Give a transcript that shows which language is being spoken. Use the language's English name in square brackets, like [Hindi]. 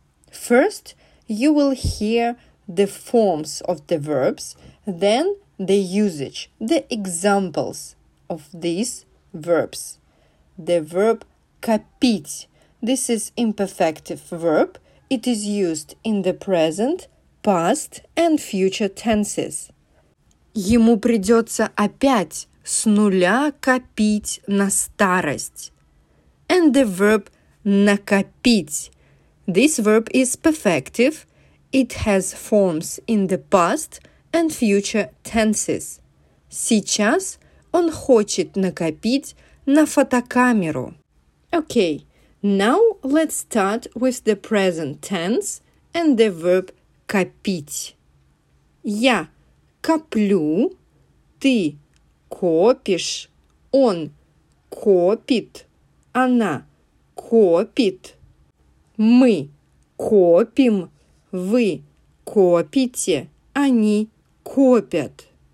[English] First, you will hear the forms of the verbs, then the usage, the examples of these verbs. The verb копить. This is imperfective verb. It is used in the present, past and future tenses. [Russian] Ему придется опять с нуля копить на старость. [English] And the verb накопить. This verb is perfective. It has forms in the past and future tenses. [Russian] Сейчас он хочет накопить на фотокамеру. [English] Okay, now let's start with the present tense and the verb копить. [Russian] Я коплю, ты копишь, он копит, она копит. Мы копим, вы копите, они копят.